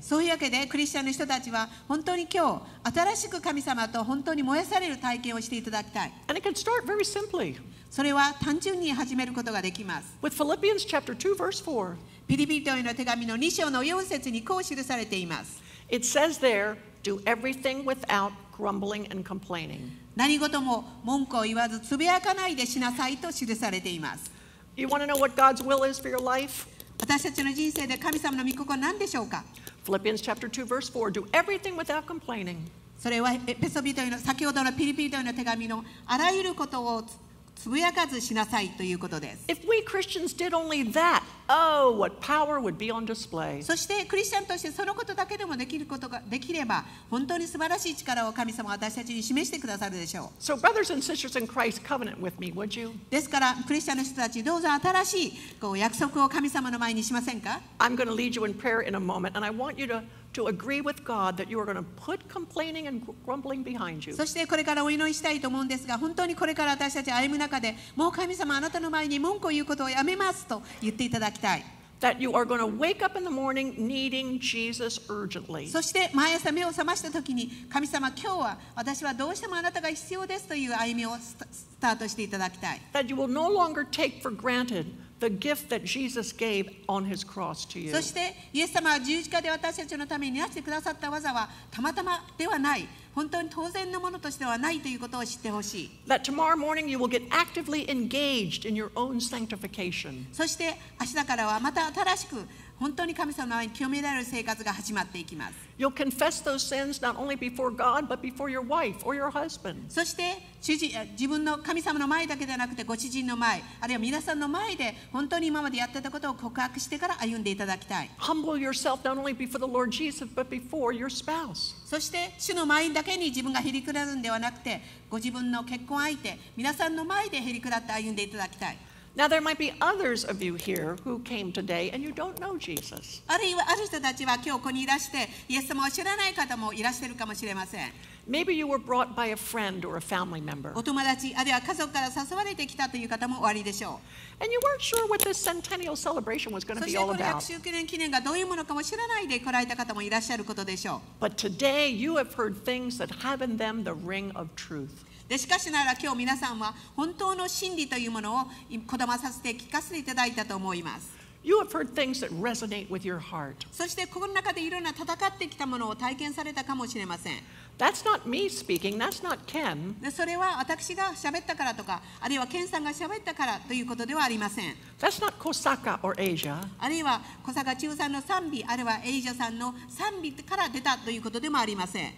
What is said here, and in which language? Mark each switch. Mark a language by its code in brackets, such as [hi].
[ja] そういうわけでクリスチャンの人たちは本当に今日新しく神様と本当に燃やされる体験をしていただきたい。 [en] And it can start very simply. [ja] それは単純に始めることができます。 [en] With Philippians chapter 2 verse 4. [ja] ピリピ人への手紙の2章の4節にこう記されています。 [en] It says there, do everything without grumbling and complaining. [ja] 何事も文句を言わずつぶやかないでしなさいと記されています。 [en] You want to know what God's will is for your life? [ja] 私たちの人生で神様の御心は何でしょうか。 [en] Philippians chapter 2 verse 4, do everything without complaining. [ja] それはペソビトへの先ほどのピリピトへの手紙のあらゆることをつぶやかずしなさいということです。 [en] If we Christians did only that, oh, what power would be on display. [ja] そしてクリスチャンとしてそのことだけでもできることができれば本当に素晴らしい力を神様は私たちに示してくださるでしょう。 [en] So brothers and sisters in Christ, covenant with me, would you? [ja] ですからクリスチャンの人たちどうぞ新しいこう約束を神様の前にしませんか。 [en] I'm going to lead you in prayer in a moment, and I want you to to agree with God that you are going to put complaining and grumbling behind you. [ja] そしてこれからお祈りしたいと思うんですが、本当にこれから私たち歩む中で、もう神様あなたの前に文句を言うことをやめますと言っていただきたい。 [en] That you are going to wake up in the morning needing Jesus urgently. [ja] そして毎朝目を覚ました時に、神様今日は私はどうしてもあなたが必要ですという歩みをスタートしていただきたい。 [en] That you will no longer take for granted. The gift that Jesus gave on his cross to you. [ja] そしてイエス様は十字架で私たちのためになしてくださった技はたまたまではない本当に当然のものとしてはないということを知ってほしい。 [en] That tomorrow morning you will get actively engaged in your own sanctification. [ja] そして明日からはまた新しく本当に神様の前に清められる生活が始まっていきます。 [en] You'll confess those sins not only before God but before your wife or your husband. [ja] そして主人、自分の神様の前だけではなくてご主人の前、あるいは皆さんの前で本当に今までやってたことを告白してから歩んでいただきたい。 [en] Humble yourself not only before the Lord Jesus but before your spouse. [ja] そして主の前だけに自分がへりくだるんではなくてご自分の結婚相手、皆さんの前でへりくだって歩んでいただきたい。 [en] Now there might be others of you here who came today and you don't know Jesus. [ja] ある人たちは今日ここにいらして、イエス様を知らない方もいらしてるかもしれません。 [en] Maybe you were brought by a friend or a family member. [ja] お友達、あるいは家族から誘われてきたという方もおありでしょう。 [en] And you weren't sure what this centennial celebration was going to be all about. [ja] そしてこの100周年記念がどういうものかも知らないで来られた方もいらっしゃることでしょう。 [en] But today you have heard things that have in them the ring of truth. [ja] でしかしなら今日皆さんは本当の真理というものをこだまさせて聞かせていただいたと思います。 [en] You have heard things that resonate with your heart. [ja] そしてこの中でいろんな戦ってきたものを体験されたかもしれません。 [en] That's not me speaking, that's not Ken. [ja] それは私が喋ったからとか、あるいはケンさんが喋ったからということではありません。 [en] That's not Kosaka or Asia. [ja] あるいは小坂中さんの賛美、あるいはエイジャさんの賛美から出たということでもありません。